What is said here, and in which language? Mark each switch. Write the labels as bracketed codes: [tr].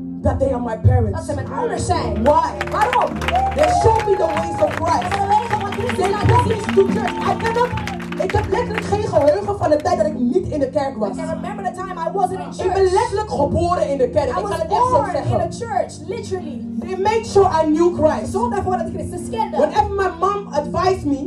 [en] That they are my parents. [nl] Dat ze mijn ouders zijn. [en] Why? [nl] Waarom? [en] They show me the ways of Christ. [nl] Ze hebben de wegen van Christus laten zien. [en] They took me to church. [nl] Ik heb letterlijk geen geheugen van de tijd dat ik niet in de kerk was. [en] I can remember the time I wasn't in church. [nl] Ik ben letterlijk geboren in de kerk. [en] I [nl] ik kan het echt zo zeggen. [en] I was born in a church, literally. They made sure I knew Christ. [nl] Zorg ervoor dat ik Christus kende. [en] Whenever my mom advised me,